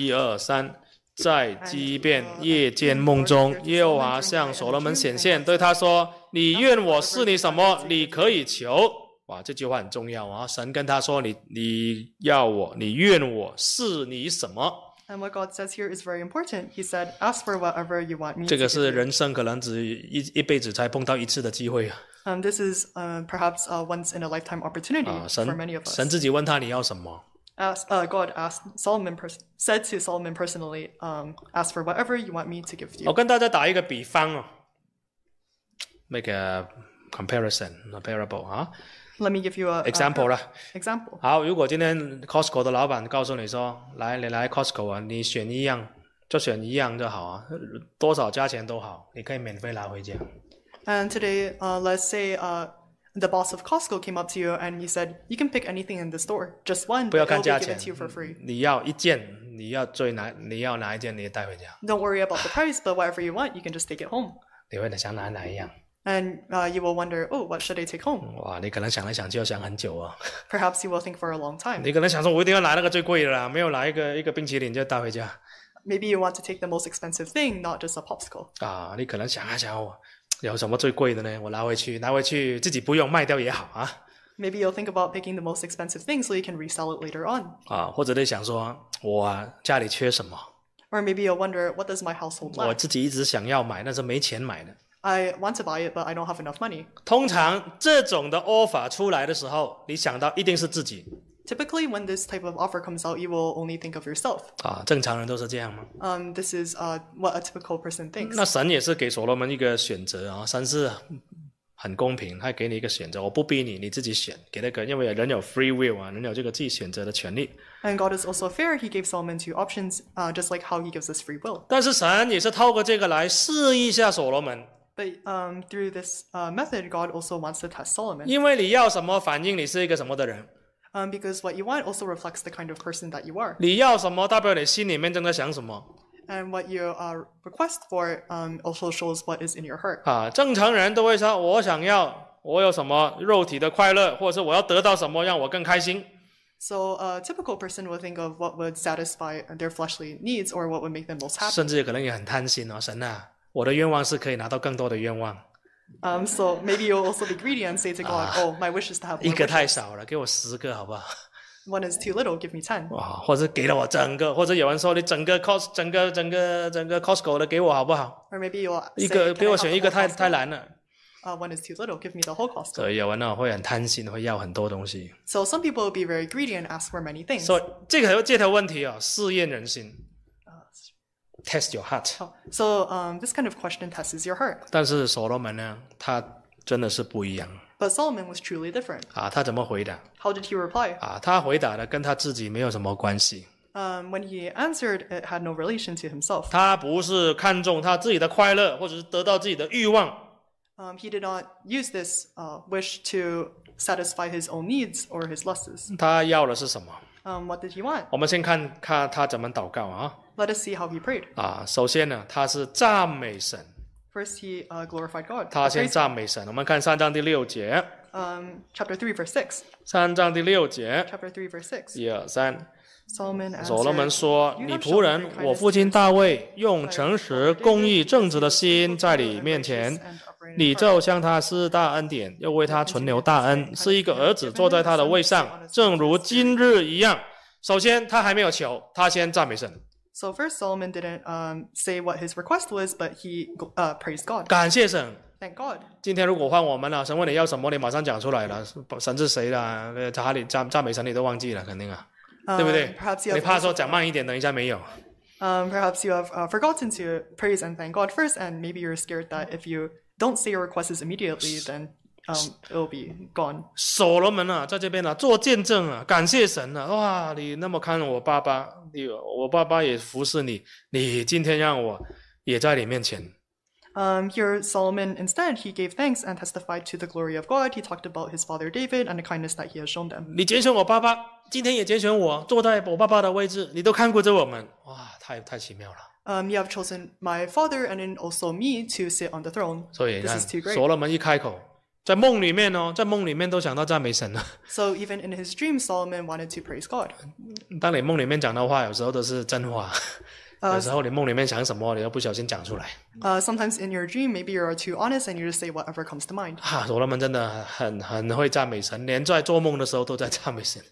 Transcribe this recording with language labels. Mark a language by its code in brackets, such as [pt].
[zh] 一二三，在基遍夜间梦中，耶和华向所罗门显现，对他说：“你愿我赐你什么？你可以求。” 哇，这句话很重要啊！神跟他说：“你要我，你愿我赐你什么？” [en] And what God says here is very important. He said, "Ask for whatever you want me." [zh] 这个是人生可能只一辈子才碰到一次的机会啊。 [en] This is perhaps a once-in-a-lifetime opportunity for many of us. [zh] 神自己问他你要什么 [en] God asked Solomon, said to Solomon personally, ask for whatever you want me to give you. [zh] 我跟大家打一个比方哦 ， [en] make a comparison, a parable, huh? Let me give you example 啦 Example. [zh] 好，如果今天 Costco 的老板告诉你说，来，你来 Costco 啊，你选一样，就选一样就好啊，多少价钱都好，你可以免费拿回家。 [en] And today, let's say the boss of Costco came up to you and he said, "You can pick anything in the store, just one. [zh] 不要看价钱 [en] to you for free. [zh] 你要一件，你要最哪，你要哪一件，你也带回家。 [en] Don't worry about the price, but whatever you want, you can just take it home. [zh] 你会想拿哪一样 [en] ？And you will wonder, oh, what should I take home? [zh] 哇，你可能想来想去要想很久啊。 [en] Perhaps you will think for a long time. [zh] 你可能想说，我一定要拿那个最贵的啦，没有拿一个冰淇淋就带回家。 [en] Maybe you want to take the most expensive thing, not just a popsicle. [zh] 啊，你可能想啊想啊。有什么最贵的呢？我拿回去自己不用，卖掉也好啊。 [en] Maybe you'll think about picking the most expensive thing so you can resell it later on. [zh] 啊，或者你想说，我家里缺什么 [en] ？Or maybe you'll wonder what does my household lack. [zh] 我自己一直想要买，但是没钱买的。 [en] I want to buy it, but I don't have enough money. [zh] 通常这种的 offer 出来的时候，你想到一定是自己。 [en] Typically, when this type of offer comes out, you will only think of yourself. [zh] 啊，正常人都是这样吗 [en] ？This is what a typical person thinks. [zh] 那神也是给所罗门一个选择啊，神是很公平，他给你一个选择，我不逼你，你自己选，给那个，因为人有 free will 啊，人有这个自己选择的权利。 [en] And God is also fair. He gave Solomon two options, just like how He gives us free will. [zh] 但是神也是透过这个来试一下所罗门。 [en] But through this method, God also wants to test Solomon. [zh] 因为你要什么反应，你是一个什么的人。 [en] Because what you want also reflects the kind of person that you are. [zh] 你要什么代表你心里面正在想什么。 [en] and what you request for also shows what is in your heart. [zh] 啊，正常人都会说，我想要我有什么肉体的快乐，或者是我要得到什么让我更开心。 [en] So a typical person will think of what would satisfy their fleshly needs or what would make them most happy. [zh] 甚至可能也很贪心哦，神啊，我的愿望是可以拿到更多的愿望。 [en] So maybe you'll also be greedy and say to God, "Oh, my wish is to have more." [zh] 一个太少了，给我十个好不好 [en] ？One is too little. Give me 10. [zh] 哇，或者给了我整个，或者有人说你整个 cost 整个 Costco 的给我好不好 [en] ？Or maybe you [zh] 一个给我选一个太难了。 [en] One is too little. Give me the whole cost. [zh] 所以有人呢会很贪心，会要很多东西。 [en] So some people will be very greedy and ask for many things. [zh] 所以这条问题啊，试验人心。 [en] Test your heart. So this kind of question tests your heart. [zh] 但是所罗门呢，他真的是不一样。 [en] But Solomon was truly different. [zh] 啊，他怎么回答 [en] ？How did he reply? [zh] 啊，他回答的跟他自己没有什么关系。 [en] When he answered, it had no relation to himself. [zh] 他不是看重他自己的快乐，或者是得到自己的欲望。 [en] He did not use this wish to satisfy his own needs or his lusts. [zh] 他要的是什么 [en] ？What did he want? [zh] 我们先看看他怎么祷告啊。 [en] Let us see how he prayed. [zh] 啊，首先呢，他是赞美神。 [en] First, he glorified God. [zh] 他先赞美神。我们看三章第六节。 [en] Chapter 3, verse 6. [zh] 三章第六节。 [en] Chapter 3, verse 6. [zh] 一二三。 [en] Solomon answered, [zh] 所罗门说：“你仆人，我父亲大卫用诚实、公义、正直的心在你面前，你就向他施大恩典，又为他存留大恩，是一个儿子坐在他的位上，正如今日一样。” 首先，他还没有求，他先赞美神。 [en] So first, Solomon didn't say what his request was, but he praised God. [zh] 感谢神。 [en] Thank God. [zh] 今天如果换我们了，神问你要什么，你马上讲出来了。神是谁了？查理赞美神，你都忘记了，肯定啊。对不对？你怕说讲慢一点，等一下没有。 [en] Perhaps you have forgotten to praise and thank God first, and maybe you're scared that if you don't say your requests immediately, then it'll be gone. [zh] 所罗门啊，在这边啊，做见证啊，感谢神啊！哇，你那么看我爸爸，我爸爸也服侍你，你今天让我也在你面前。 [en] Here Solomon instead he gave thanks and testified to the glory of God. He talked about his father David and the kindness that he has shown them. [zh] 你拣选我爸爸，今天也拣选我，坐在我爸爸的位置，你都看顾着我们，哇，太奇妙了。 [en] You have chosen my father and then also me to sit on the throne. [zh] 所以 [en] this is too great. [zh] 所罗门一开口，在梦里面哦，在梦里面都想到赞美神了。 [en] So even in his dream, Solomon wanted to praise God. [zh] 当你梦里面讲的话，有时候都是真话。有时候你梦里面想什么，你都不小心讲出来。 [en] Sometimes in your dream, maybe you are too honest and you just say whatever comes to mind. [zh] 啊，所罗门真的很会赞美神，连在做梦的时候都在赞美神。